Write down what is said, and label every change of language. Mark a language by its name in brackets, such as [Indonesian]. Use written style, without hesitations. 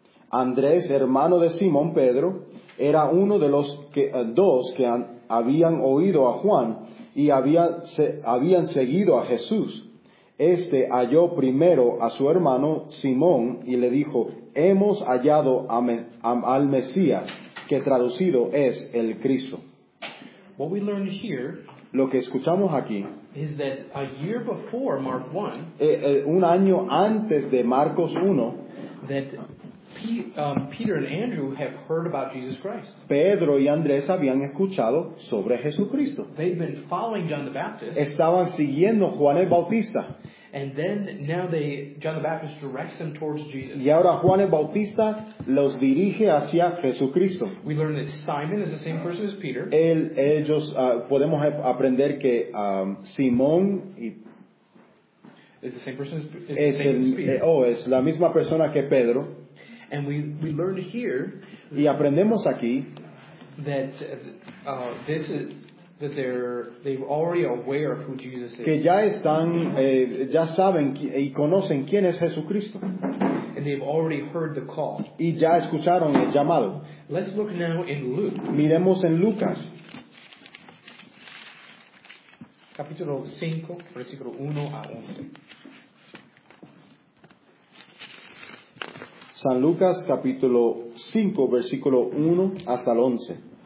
[Spanish] Andrés, hermano de Simón Pedro, era uno de los dos que habían oído a Juan y habían seguido a Jesús. Este halló primero a su hermano Simón y le dijo: Hemos hallado al Mesías, que traducido es el Cristo. [English] What we learned here, [Spanish] lo que escuchamos aquí, [English] is that a year before Mark 1, [Spanish] un año antes de Marcos 1, [English] that Peter and Andrew have heard about Jesus Christ. [Spanish] Pedro y Andrés habían escuchado sobre Jesucristo. [English] They've been following John the Baptist. [Spanish] Estaban siguiendo Juan el Bautista. [English] And then now John the Baptist directs them towards Jesus. [Spanish] Y ahora Juan el Bautista los dirige hacia Jesucristo. [English] We learn that Simon is the same person as Peter. [Spanish] Ellos podemos aprender que Simón y [English] It's the same person as Peter. [Spanish] Es la misma persona que Pedro. [English] And we learned here. [Spanish] Y aprendemos aquí [English] that this is that they're already aware of who Jesus is. [Spanish] Que ya están, ya saben y conocen quién es Jesucristo. [English] And they've already heard the call. [Spanish] Y ya escucharon el llamado. [English] Let's look now in Luke. [Spanish] Miremos en Lucas. Capítulo 5, versículo 1 a 11. San Lucas, capítulo 5, versículo 1 hasta el 11.